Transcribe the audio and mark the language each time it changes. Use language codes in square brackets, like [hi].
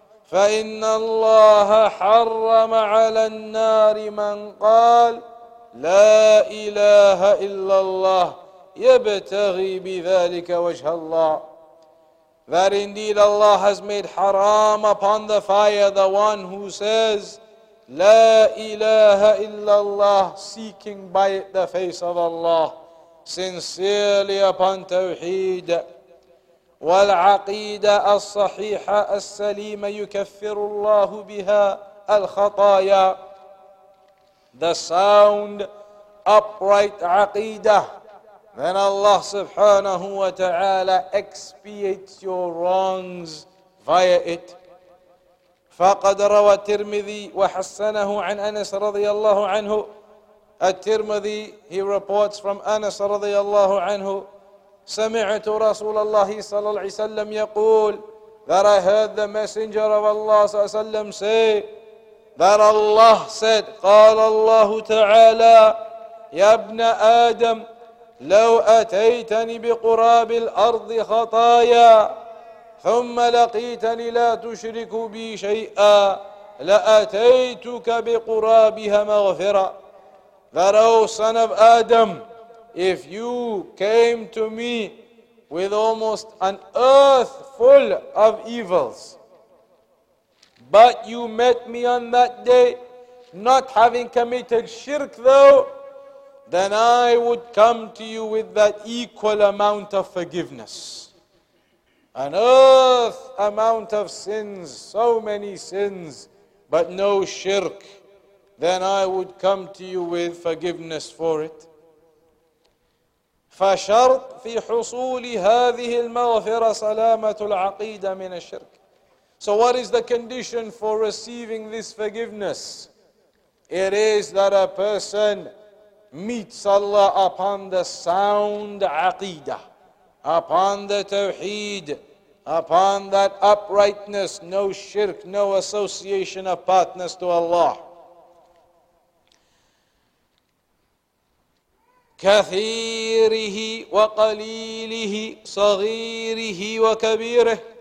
[ar] فإن الله حرم على النار من قال لا إله إلا الله يبتغي بذلك وجه الله. [en] That indeed Allah has made haram upon the fire the one who says [ar] لا إله إلا الله [en] seeking by it the face of Allah sincerely upon Tawheed. [ar] والعقيدة الصحيحة السليمة يكفر الله بها الخطايا. [en] The sound upright aqidah, then Allah subhanahu wa ta'ala expiates your wrongs via it. [ar] فقد روى الترمذي وحسنه عن أنس رضي الله عنه. [en] الترمذي, he reports from أنس رضي الله عنه, [ar] سمعت رسول الله صلى الله عليه وسلم يقول, [en] that I heard the messenger of Allah صلى الله عليه وسلم say, that Allah said, [ar] قال الله تعالى, يا ابن آدم, لو أتيتني بقراب الأرض خطايا, ثم لقيتني لا تشرك بي شيئا, لأتيتك بقرابها مغفرة. [en] That, O son of Adam, if you came to me with almost an earth full of evils, but you met me on that day not having committed shirk though, then I would come to you with that equal amount of forgiveness. An earth amount of sins, so many sins, but no shirk. Then I would come to you with forgiveness for it. [ar] فشرط في حصول هذه المغفرة سلامة العقيدة من الشرك. [en] So what is the condition for receiving this forgiveness? It is that a person meets Allah upon the sound aqidah, upon the tawheed, upon that uprightness, no shirk, no association of partners to Allah. [ar] كثيره وقليله صغيره وكبيره.